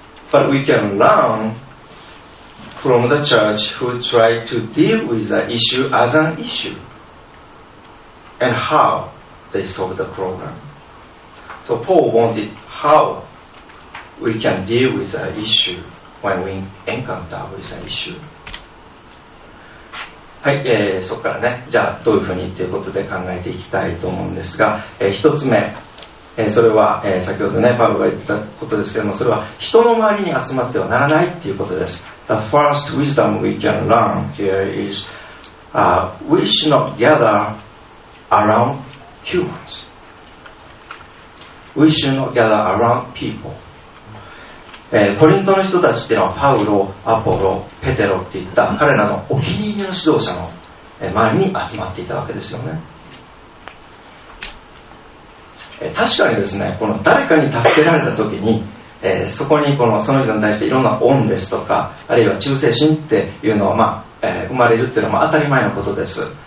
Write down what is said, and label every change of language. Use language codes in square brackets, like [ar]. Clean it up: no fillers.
[en] But we can learn from the church who try to deal with the issue as an issue and how they solve the problem. So Paul wanted how we can deal with the issue when we encounter with an issue. [ja] はい、そこからね、じゃあどういうふうにということで考えていきたいと思うんですが、一つ目、それは、先ほどねパウロが言ってたことですけども、それは人の周りに集まってはならないっていうことです。 [en] The first wisdom we can learn here is we should not gather around humans. We should not gather around people. [ja] コリントの人たちっていうのはパウロ、アポロ、ペテロっていった彼らのお気に入りの指導者の周りに集まっていたわけですよね。確かにですね、この誰かに助けられたときに、そこにこのその人に対していろんな恩ですとか、あるいは忠誠心っていうのは、生まれるっていうのは当たり前のことです。